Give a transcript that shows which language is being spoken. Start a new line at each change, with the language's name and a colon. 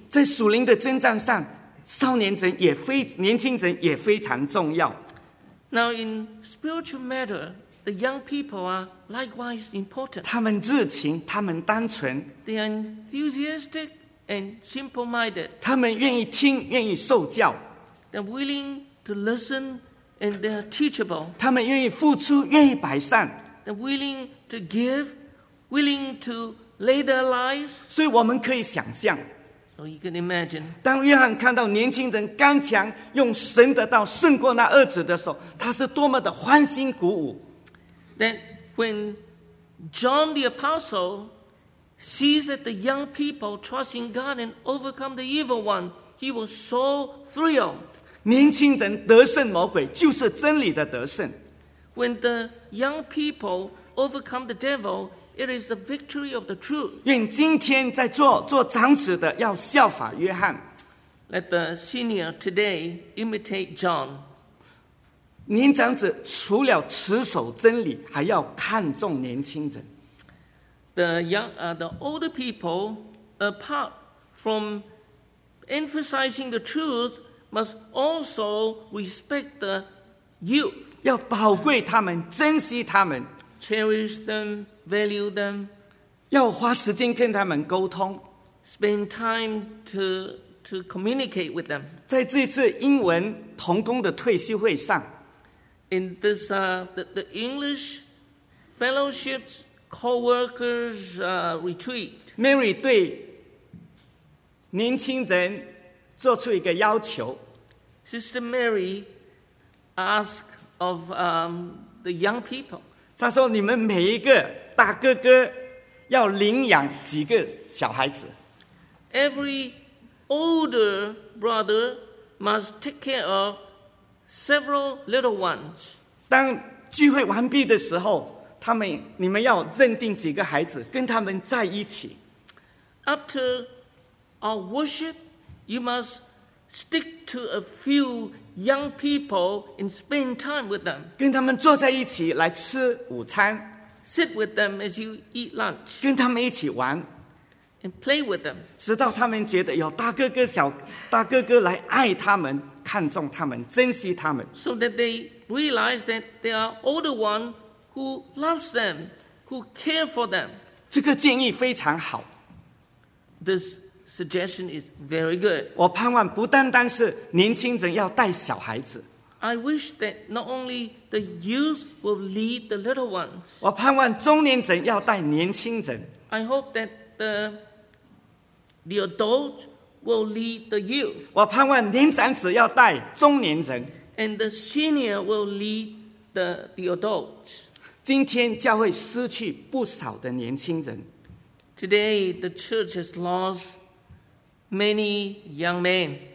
Chinese: 在属灵的征战上，少年人也非年轻人也非常重要。
English: Now in spiritual matter, the young people are likewise important.
Chinese: 他们热情，他们单纯。
English: They are enthusiastic and simple-minded.
Chinese: 他们愿意听，愿意受教。
English: They're willing to listen and they're teachable.
Chinese: 他们愿意付出，愿意摆上。
English: They're willing to give, willing to lay their lives.
Chinese: 所以我们可以想象。
English: So you can imagine.
Chinese: 当约翰看到年轻人刚强，用神的道胜过那恶者的时候，他是多么的欢欣鼓舞。
English: Then when John the Apostle sees that the young people trust in God and overcome the evil one, he was so thrilled.
Chinese: 年轻人得胜魔鬼，就是真理的得胜。
English: When the young people overcome the devil, it is the victory of the truth.
Chinese: 愿今天在做长子的要效法约翰。
English: Let the senior today imitate John.
Chinese: 年长子除了持守真理，还要看重年轻人。
English: The older people, apart from emphasizing the truth, must also respect the youth.
Chinese: 要宝贵他们，珍惜他们
English: ，cherish them, value them，
Chinese: 要花时间跟他们沟通
English: ，spend time to communicate with them。
Chinese: 在这次英文同工的退休会上
English: ，in this the English fellowship's co-workers retreat，Mary
Chinese: 对年轻人做出一个要求
English: ，Sister Mary ask。 Of the young people,
Chinese: 他说：“你们每一个大哥哥要领养几个小孩子。
English: Every older brother must take care of several little ones.
Chinese: 当聚会完毕的时候，你们要认定几个孩子，跟他们在一起。
English: After our worship, you must stick to a few.” Young people and spend time with them.
Chinese: 跟他们坐在一起来吃午餐。
English: Sit with them as you eat lunch.
Chinese: 跟他们一起玩。
English: And play with them.
Chinese: 直到他们觉得有大哥哥小大哥哥来爱他们，看重他们，珍惜他们。
English: So that they realize that there are older ones who loves them, who care for them.
Chinese: 这个建议非常好。
English: This. Suggestion is very good.
Chinese: 我盼望不单单是年轻人要带小孩子。
English: I wish that not only the youth will lead the little ones.
Chinese: 我盼望中年人要带年轻人。
English: I hope that the adult will lead the youth.
Chinese: 我盼望年长子要带中年人。
English: And the senior will lead the adult.
Chinese: 今天教会失去不少的年轻人。
English: Today the church has lost. Many young men.